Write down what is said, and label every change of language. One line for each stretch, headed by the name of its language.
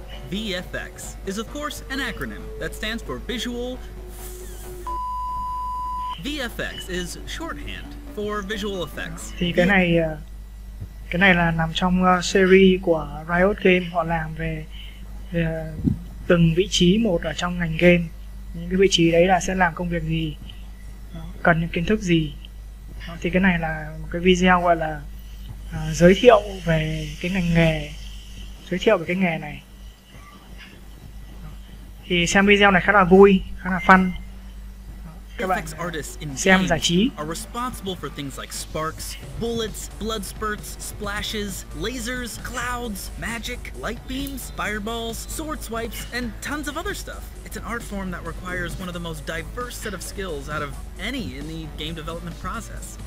English: VFX is of course an acronym that stands for visual. VFX is shorthand for visual effects.
Vietnamese: Thì cái này là nằm trong series của Riot Games, họ làm về từng vị trí một ở trong ngành game. Những cái vị trí đấy là sẽ làm công việc gì, cần những kiến thức gì. Thì cái này là một cái video gọi là giới thiệu về cái ngành nghề, giới thiệu về cái nghề này. Thì xem video này khá là vui, khá là fun. Các bạn xem giải trí.
English: Are responsible for things like sparks, bullets, blood spurts, splashes, lasers, clouds, magic, light beams, fireballs, sword swipes, and tons of other stuff. It's an art form that requires one of the most diverse set of skills out of any in the game development process.